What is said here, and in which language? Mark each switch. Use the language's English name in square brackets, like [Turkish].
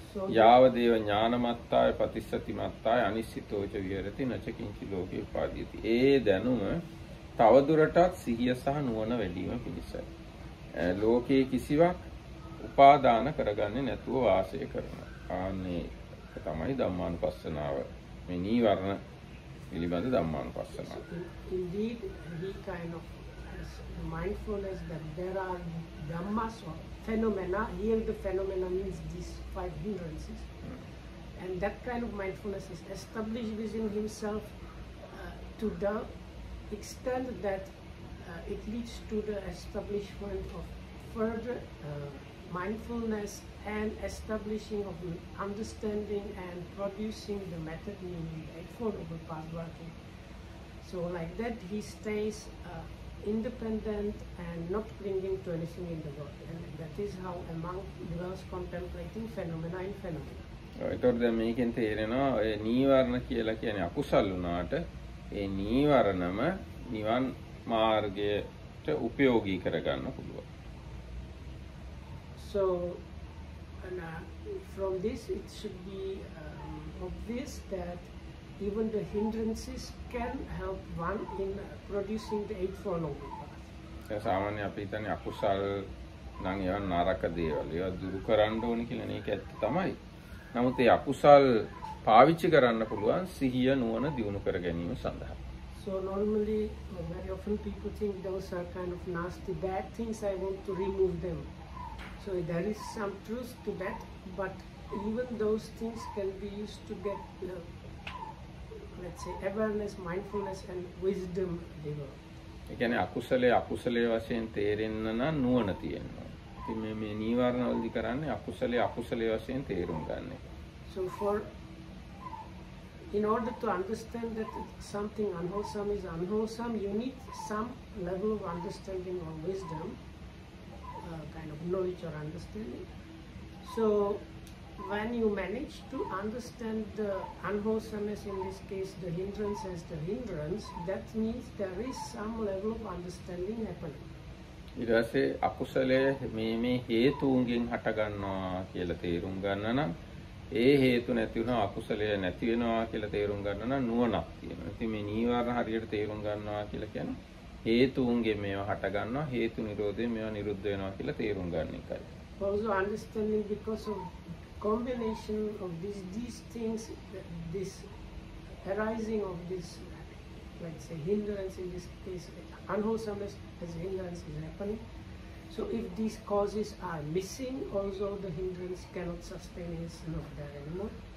[Pali] යාව දේව ඥානමත්තාය පතිස්සතිමත්තාය අනිශ්චිතෝච විහෙරති නචකින්චි ලෝකේ උපාදීති. [Sinhala] ඒ දැනුම තවදුරටත් සිහිය සහ නුවණ වැඩිම පිණිසයි. ලෝකයේ කිසිවක් උපාදාන කරගන්නේ නැතුව වාසය කරන. ආන්නේ තමයි ධම්මානුපස්සනාව. මේ නීවරණ ilibanda dhammaan passana. [English] Indeed, he kind of has mindfulness that there are dhammas or phenomena. Here the phenomena means these five hindrances. And that kind of mindfulness is established within himself to the extent that it leads to the establishment of further mindfulness and establishing of understanding and producing the method meaning the Eightfold Path working. So like that he stays independent and not clinging to anything in the world. And that is how a monk dwells contemplating phenomena in phenomena. [Sinhala] එතකොට දැන් මේකෙන් තේරෙනවා ඔය නීවරණ කියලා කියන්නේ අකුසල් වුණාට ඒ නීවරණම නිවන් මාර්ගයට උපයෝගී කරගන්න පුළුවන්. [English] So, and from this it should be obvious that even the hindrances can help one in producing the Eightfold Noble Path. Yes, [Sinhala] සාමාන්‍ය අපි හිතන්නේ අකුසල් නම් ඒවා නරක දේවල්. ඒවා දුරු කරන්න ඕන කියලා නේ කියත් තමයි. නමුත් ඒ අකුසල් පාවිච්චි කරන්න පුළුවන් සිහිය නුවණ දියුණු කර ගැනීම සඳහා. [English] So normally, very often people think those are kind of nasty, bad things, I want to remove them. So there is some truth to that, but even those things can be used to get, let's say, awareness, mindfulness, and wisdom developed. [Sinhala] ඒ කියන්නේ අකුසලයේ අකුසලයේ වශයෙන් තේරෙන්න නම් නුවණ තියෙනවා. ඉතින් මේ නීවරණවලදී කරන්නේ අකුසලයේ අකුසලයේ වශයෙන් තේරුම් ගන්න. [English] So for, in order to understand that something unwholesome is unwholesome, you need some level of understanding or wisdom. Kind of knowledge or understanding. So when you manage to understand the unwholesomeness, in this case the hindrance as the hindrance, that means there is some level of understanding happening. [Sinhala] ඊට පස්සේ අකුසලයේ මේ මේ හේතුන්ගෙන් හට ගන්නවා කියලා තේරුම් ගන්න නම් ඒ හේතු නැති වුණා අකුසලය නැති වෙනවා කියලා තේරුම් ගන්න නම් නුවණක් තියෙනවා. ඉතින් මේ නීවරණ හරියට තේරුම් ගන්නවා කියලා කියන්නේ හේතුන්ගෙන් මේවා හට ගන්නවා, හේතු නිරෝධයෙන් මේවා නිරුද්ධ වෙනවා කියලා තේරුම් ගන්න එකයි. [English] Also understanding because of combination of these things, this arising of this, let's say hindrance in this case, unwholesomeness as hindrance is happening. So if these causes are missing, also the hindrance cannot sustain itself there anymore.